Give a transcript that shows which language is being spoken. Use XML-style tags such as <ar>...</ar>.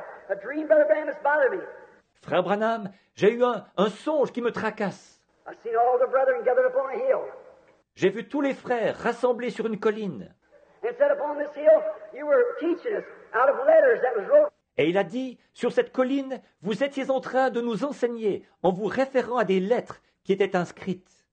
<en>a dream, Brother Branham, has bothered me.</en> <fr>Frère Branham, j'ai eu un songe qui me tracasse.</fr> <en>I've seen all the brethren gathered upon a hill.</en> <fr>J'ai vu tous les frères rassemblés sur une colline.</fr> <en>And said upon this hill, you were teaching us out of letters that was wrote.</en> <fr>Et il a dit, sur cette colline, vous étiez en train de nous enseigner en vous référant à des lettres qui étaient inscrites.</fr>